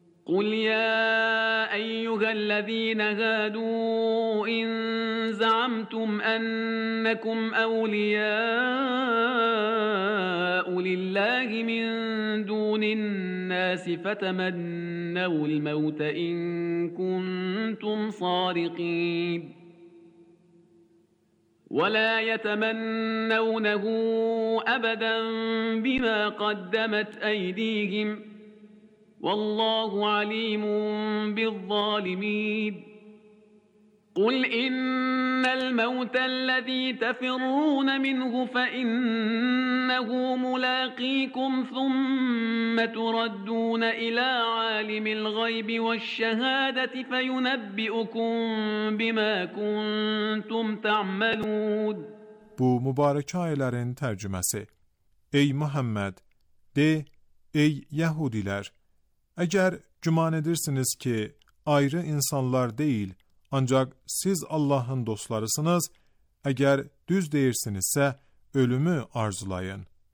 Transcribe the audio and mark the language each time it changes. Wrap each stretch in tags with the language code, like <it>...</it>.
<ar>Qul ya eyyuhəl-ləzînə gədû in zəamtum ənnəkum əvliyəu lilləhi min dünin nəsi fətəmənnəvəl-məvtə in kuntum sariqib. ولا يتمنونه أبدا بما قدمت أيديهم والله عليم بالظالمين قل إن الموت الذي تفرون منه فإنه ملاقيكم ثم تردون إلى عالم الغيب والشهادة فينبئكم بما كنتم تعملون</ar> <az>Bu mübarək ayələrin tərcüməsi. Ey Muhammed, de, ey Yahudilər, əgər cüman edirsiniz ki, ayrı insanlar deyil, Ancaq siz Allahın dostlarısınız, əgər düz deyirsinizsə, ölümü arzulayın.</az>